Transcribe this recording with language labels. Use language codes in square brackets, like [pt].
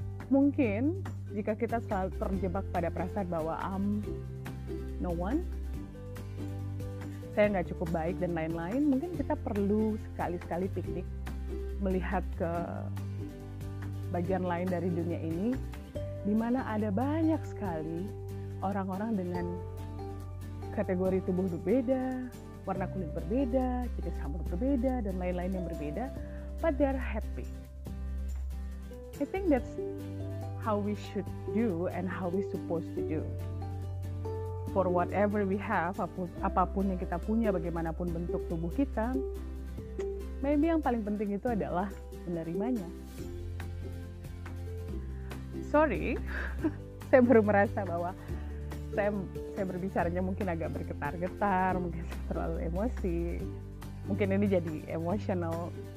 [id] Mungkin jika kita selalu terjebak pada perasaan bahwa [en] I'm no one, [id] saya nggak cukup baik dan lain-lain, mungkin kita perlu sekali-sekali piknik, melihat ke bagian lain dari dunia ini, di mana ada banyak sekali orang-orang dengan kategori tubuh berbeda, warna kulit berbeda, jenis rambut berbeda, dan lain-lain yang berbeda, [en] but they are happy. I think that's how we should do and how we supposed to do. For whatever we have, [id] apapun yang kita punya, bagaimanapun bentuk tubuh kita, maybe yang paling penting itu adalah menerimanya. Sorry, saya baru merasa bahwa saya berbicaranya mungkin agak bergetar-getar, mungkin saya terlalu emosi, mungkin ini jadi emotional.